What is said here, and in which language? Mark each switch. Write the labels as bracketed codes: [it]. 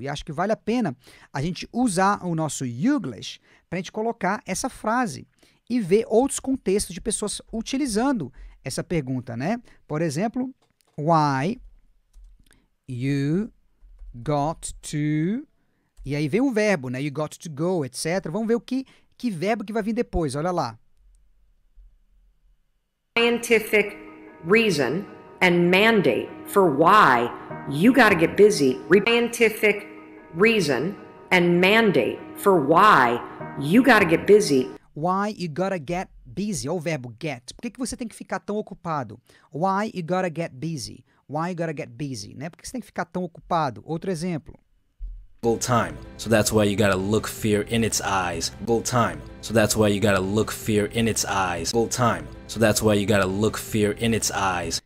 [pt] E acho que vale a pena a gente usar o nosso English para a gente colocar essa frase e ver outros contextos de pessoas utilizando essa pergunta. Né? Por exemplo, [en] why you got to... [pt] E aí vem o verbo, né? [en] You got to go, [pt] etc. Vamos ver o que verbo que vai vir depois. Olha lá. [en] Scientific reason and mandate for why you got to get busy. Scientific reason and mandate for why you got to get busy. Why you got to get busy? [pt] O verbo get. Por que que você tem que ficar tão ocupado? [en] Why you got to get busy? Why you got to get busy? [pt] Né? Por que você tem que ficar tão ocupado? Outro exemplo. [en] Full time. So that's why you got to look fear in its eyes. Full time. So that's why you got to look fear in its eyes. Full time. So that's why you gotta look fear in its eyes.